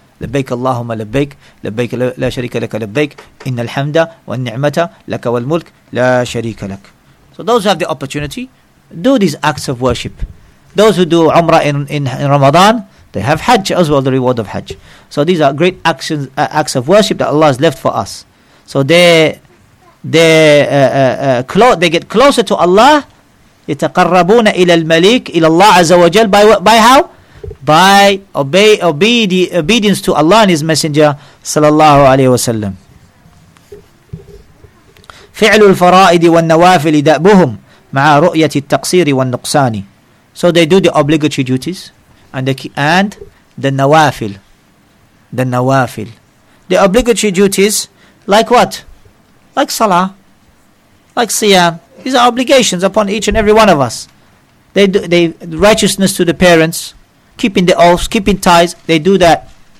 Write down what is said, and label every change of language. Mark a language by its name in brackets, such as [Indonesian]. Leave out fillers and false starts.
[Arabic] لبيك اللهم لبيك, لبيك لا شريك لك لبيك, إن الحمد والنعمة لك والملك لا شريك لك. [English] So those who have the opportunity, do these acts of worship. Those who do Umrah in Ramadan, they have Hajj as well, the reward of Hajj. So these are great actions, acts of worship that Allah has left for us. So they get closer to Allah. [Arabic] يتقربون إلى الملك, إلى الله عز وجل, [English] by how? By obedience to Allah and His Messenger [Arabic] صلى الله عليه وسلم. فعل الفرائض والنوافل دأبهم مع رؤية التقصير والنقصان. [English] So they do the obligatory duties and the nawafil, the obligatory duties, like what? Like salah, like siyam. These are obligations upon each and every one of us. They righteousness to the parents, keeping the oaths, keeping ties, they do that.